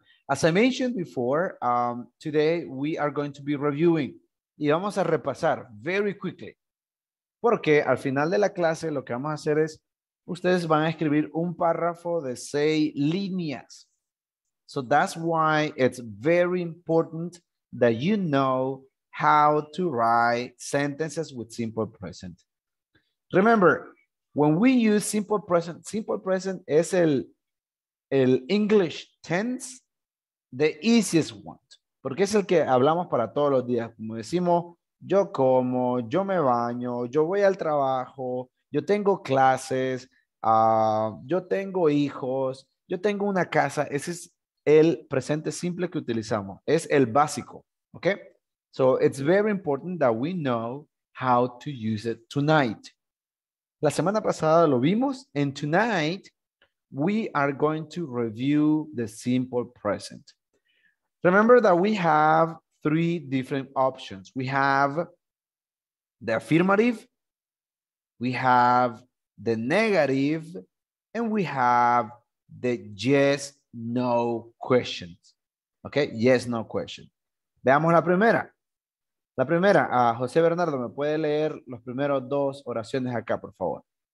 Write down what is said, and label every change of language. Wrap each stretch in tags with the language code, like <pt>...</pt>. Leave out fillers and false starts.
<en>As I mentioned before, today we are going to be reviewing</en> <es>y vamos a repasar</es> <en>very quickly.</en> <es>Porque al final de la clase lo que vamos a hacer es, ustedes van a escribir un párrafo de 6 líneas.</es> <en>So that's why it's very important that you know how to write sentences with simple present. Remember, when we use simple present</en> <es>es el</es> <en>English tense, the easiest one.</en> <es>Porque es el que hablamos para todos los días. Como decimos, yo como, yo me baño, yo voy al trabajo, yo tengo clases, yo tengo hijos, yo tengo una casa. Ese es el presente simple que utilizamos. Es el básico, ¿ok?</es> <en>So it's very important that we know how to use it tonight.</en> <es>La semana pasada lo vimos,</es> <en>and tonight we are going to review the simple present. Remember that we have three different options. We have the affirmative, we have the negative, and we have the yes, no questions. Okay, yes, no question.</en> <es>Veamos la primera. La primera, José Bernardo, ¿me puede leer los primeros dos oraciones acá, por favor?</es>